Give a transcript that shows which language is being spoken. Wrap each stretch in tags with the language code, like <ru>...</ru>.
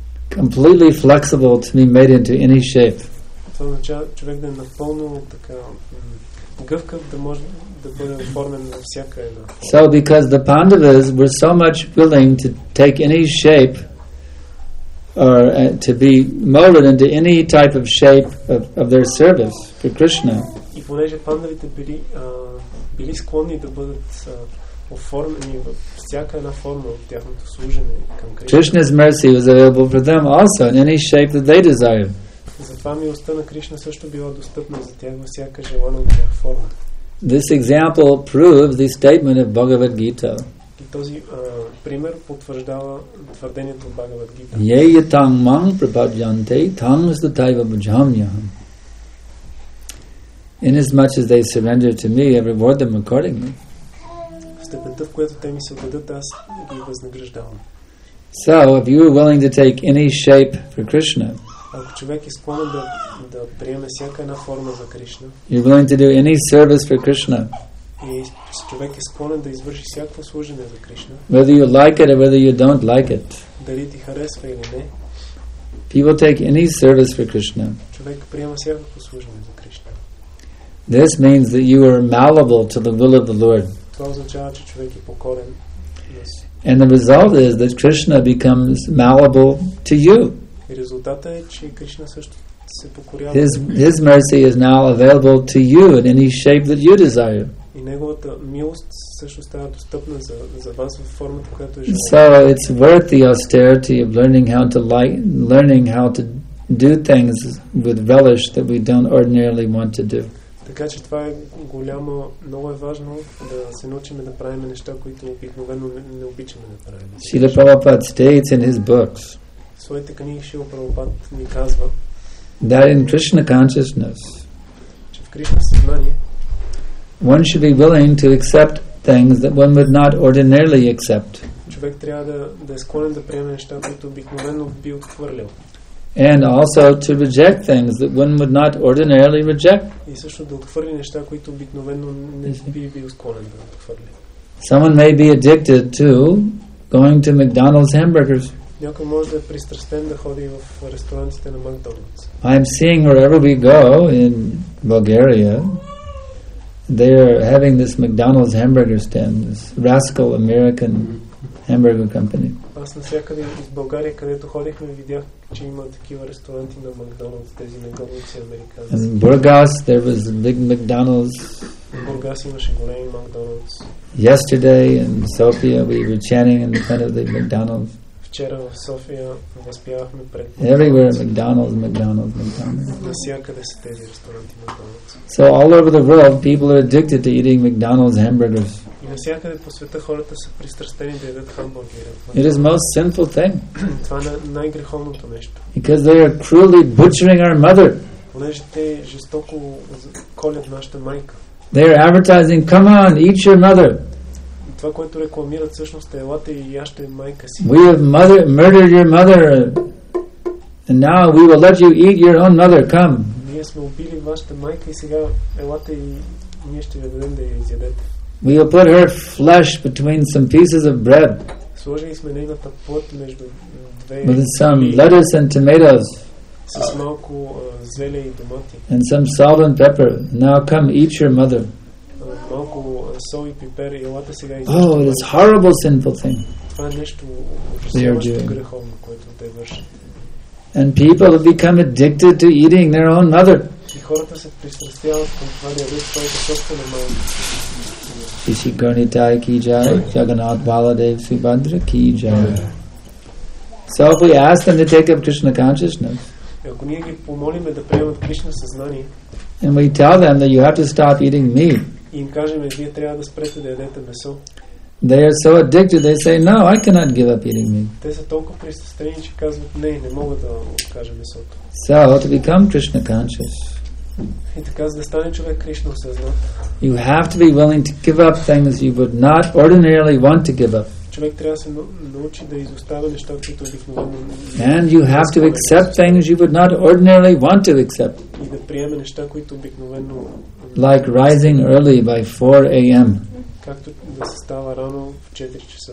<en>Completely flexible to be made into any shape.</en> <bg>Това означава човек да е напълно така гъвкав, да може да бъде оформен на всяка една.</bg> <en>So because the Pandavas were so much willing to take any shape or to be molded into any type of shape of their service for Krishna.</en> <bg>И понеже пандавите били склонни да бъдат оформени във всяка една форма от тяхното служене към Кришна.</bg> <en>Krishna's mercy was available for them also in any shape that they desired.</en> <bg>Затова милостта на Кришна също била достъпна за тях във всяка желана от тях форма.</bg> <en>This example proves the statement of Bhagavad Gita.</en> <bg>И този пример потвърждава твърдението от Бхагавад Гита.</bg> <sa>Ye yatang mang prabhajante tang sthaiva bhajamyaham.</sa> <en>Inasmuch as they surrender to me, I reward them accordingly.</en> <bg>В степента, в която те ми се отдадат, аз ги възнаграждавам.</bg> <en>So, if you are willing to take any shape for Krishna,</en> <bg>ако човек е склонен да приеме всяка една форма за Кришна,</bg> <en>you're willing to do any service for Krishna,</en> <bg>и човек е склонен да извърши всяко служение за Кришна,</bg> <en>whether you like it or whether you don't like it,</en> <bg>дали ти харесва или не,</bg> <en>people take any service for Krishna,</en> <bg>човек приема всяко служение за Кришна.</bg> <en>This means that you are malleable to the will of the Lord.</en> <bg>Това означава, че човек е покорен.</bg> <en>And the result is that Krishna becomes malleable to you.</en> <bg>Резултатът е, че Кришна също се покорява.</bg> <en>His mercy is now available to you in any shape that you desire.</en> <bg>И неговата милост също става достъпна за вас във формата, която е желаете.</bg> <en>So it's worth the austerity of learning how to do things with relish that we don't ordinarily want to do.</en> <bg>Така че това е голямо, много е важно да се научим да правим неща, които обикновено не обичаме да правим.</bg> <en>Шрила Прабхупада states in his books,</en> <bg>своите книги Шрила Прабхупад ни казва,</bg> <en>that in Krishna consciousness,</en> <bg>че в Кришна съзнание,</bg> <en>one should be willing to accept things that one would not ordinarily accept.</en> <bg>Човек трябва да е склонен да приеме неща, които обикновено би отхвърлил.</bg> <en>And also to reject things that one would not ordinarily reject.</en> <bg>И също да отхвърли неща, които обикновено не би бил склонен да отхвърли.</bg> <en>Someone may be addicted to going to McDonald's hamburgers.</en> <bg>Някой може да е пристрастен да ходи в ресторантите на Макдоналдс.</bg> <en>I'm seeing wherever we go in Bulgaria, they are having this McDonald's hamburger stand, this rascal American hamburger company.</en> <bg>Аз навсякъде из България, където ходихме, видях, че има такива ресторанти на Макдоналдс, тези мегалоци американци.</bg> <en>In Burgas, there was a big McDonald's.</en> <bg>В Бургас имаше големи Макдоналдс.</bg> <en>Yesterday in Sofia, we were chanting in front of the McDonald's.</en> <bg>Вчера в София възпявахме пред</bg> <en>Everywhere McDonald's.</en> <bg>Навсякъде са тези ресторанти McDonald's.</bg> <en>So all over the world people are addicted to eating McDonald's hamburgers.</en> <bg>И навсякъде по света хората са пристрастени да ядат хамбургери.</bg> <en>It is most sinful thing.</en> <bg>Това е най-греховното нещо.</bg> <en>Because they are cruelly butchering our mother.</en> <bg>Понеже те жестоко колят нашата майка.</bg> <en>They are advertising, come on, eat your mother.</en> <bg>Това, което рекламират всъщност е елате и ящете майка си.</bg> <en>We have mother, murdered your mother and now we will let you eat your own mother. Come.</en> <bg>Ние сме убили вашата майка и сега елате и ние ще ви дадем да я изядете.</bg> <en>We will put her flesh between some pieces of bread.</en> <bg>Сложили сме нейната плът между две</bg> <en>With some lettuce and tomatoes.</en> <bg>С малко зеле и домати.</bg> <en>And some salt and pepper. Now come eat your mother.</en> <bg>Малко сол и пипер и елате сега и</bg> <en>Oh, it's horrible sinful thing.</en> <bg>Това е нещо ужасяващо греховно, което те вършат.</bg> <en>And people have become addicted to eating their own mother.</en> <bg>И хората се пристрастяват към това да ядат своята собствена майка.</bg> <hi>Иси Гърни Тай Ки Джай, Джаганат Баладев Субандра Ки Джай.</hi> <en>So if we ask them to take up Krishna consciousness,</en> <bg>и ако ние ги помолиме да приемат Кришна съзнание,</bg> <en>and we tell them that you have to stop eating meat,</en> <bg>и им кажем, вие трябва да спрете да ядете месо.</bg> <en>They are so addicted, they say, no, I cannot give up eating meat.</en> <bg>Те са толкова пристрастени, че казват, не, не мога да откажа месото.</bg> <en>So, to become Krishna conscious,</en> <bg>и така, за да стане човек Кришна осъзнат,</bg> <en>you have to be willing to give up things you would not ordinarily want to give up.</en> <bg>Човек трябва да се научи да изоставя неща, които обикновено не</bg> <en>And you have to accept things you would not ordinarily want to accept.</en> <bg>И да приеме неща, които обикновено</bg> <en>Like rising early by 4 a.m.</en> <bg>Както да се става рано в 4 часа.</bg>